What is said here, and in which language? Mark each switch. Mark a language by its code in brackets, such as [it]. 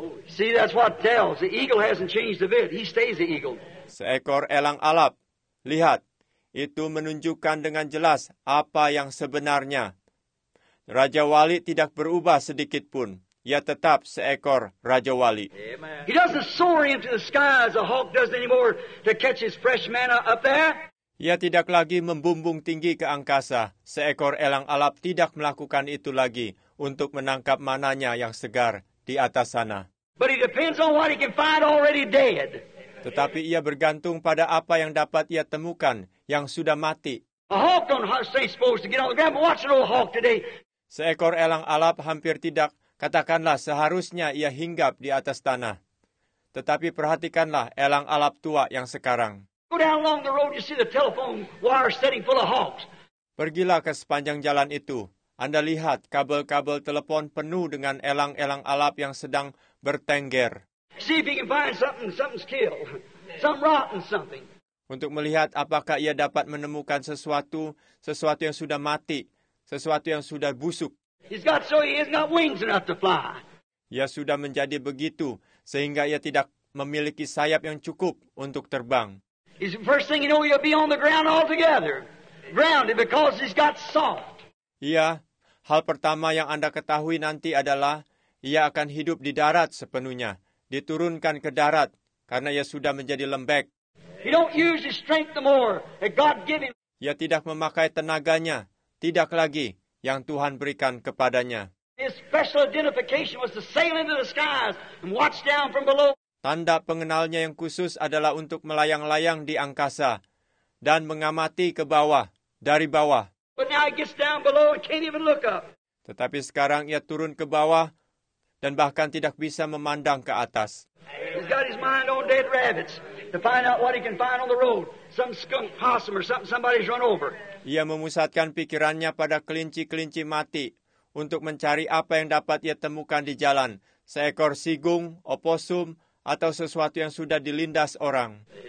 [en] See, that's what tells. The eagle hasn't changed a bit. He stays the eagle. [id] Seekor elang alap. Lihat, itu menunjukkan dengan jelas apa yang sebenarnya. Raja Wali tidak berubah sedikit pun. Ia tetap seekor Raja Wali. [en] He doesn't soar into the sky as a hawk does anymore to catch his fresh manna up there. [id] Ia tidak lagi membumbung tinggi ke angkasa. Seekor elang alap tidak melakukan itu lagi untuk menangkap mananya yang segar di atas sana. [en] But he depends on what he can find already dead. [id] Tetapi ia bergantung pada apa yang dapat ia temukan yang sudah mati. [en] A hawk don't stay supposed to get on the ground, but watch an old hawk today. [id] Seekor elang alap hampir tidak, katakanlah seharusnya ia hinggap di atas tanah. Tetapi perhatikanlah elang alap tua yang sekarang. [en] Go down along the road, you see the telephone wire standing full of hawks. [id] Pergilah ke sepanjang jalan itu. Anda lihat kabel-kabel telepon penuh dengan elang-elang alap yang sedang bertengger. [en] See if he can find something's killed. Something rotten something. [id] Untuk melihat apakah ia dapat menemukan sesuatu yang sudah mati, sesuatu yang sudah busuk. [en] He's got so he hasn't got wings enough to fly. [id] Ia sudah menjadi begitu sehingga ia tidak memiliki sayap yang cukup untuk terbang. [en] He's the first thing you know, he'll be on the ground altogether. Grounded because he's got soft. [id] Ya, hal pertama yang Anda ketahui nanti adalah ia akan hidup di darat sepenuhnya, diturunkan ke darat karena ia sudah menjadi lembek. [en] He don't use his strength no more that God gave him. [id] Ia tidak memakai tenaganya, tidak lagi yang Tuhan berikan kepadanya. [en] His special identification was to sail into the skies and watch down from below. [id] Tanda pengenalnya yang khusus adalah untuk melayang-layang di angkasa dan mengamati ke bawah, dari bawah. [en] But now he gets down below and can't even look up. [id] Tetapi sekarang ia turun ke bawah, dan bahkan tidak bisa memandang ke atas. [en] He's got his mind on dead rabbits to find out what he can find on the road. Some skunk possum or something somebody's run over. [id] Ia memusatkan pikirannya pada kelinci-kelinci mati untuk mencari apa yang dapat ia temukan di jalan, seekor sigung, opossum, atau sesuatu yang sudah dilindas orang.